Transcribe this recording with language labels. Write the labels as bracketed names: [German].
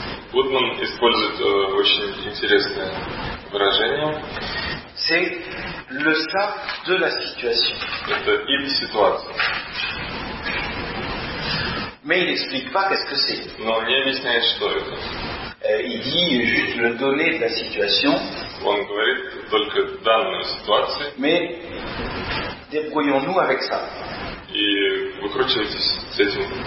[Russian] Goodman использует очень интересное выражение. [French] C'est le ça de la situation. [Russian] Это ид ситуации. [French] Mais il explique pas qu'est-ce que c'est. [Russian] Non, не объясняет, что это. [French] Il dit juste le donné de la situation. [Russian] Он говорит только данную ситуацию. [French] Mais débrouillons-nous avec ça. [Russian] И выкручивайтесь с этим.